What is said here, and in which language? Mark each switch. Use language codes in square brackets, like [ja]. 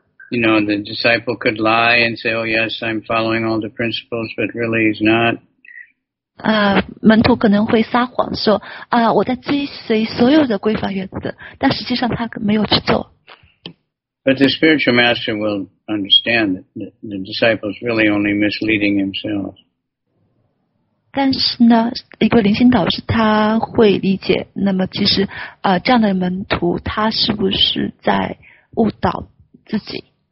[en] You know, the disciple could lie and say, oh yes, I'm following all the principles, but really he's not. [zh] 门徒可能会撒谎说我在追随所有的规范原则，但实际上他没有去做。 [en] But the spiritual master will understand that the disciple is really only misleading himself. [zh] 但是呢，一个灵性导师他会理解，那么其实这样的门徒他是不是在误导自己？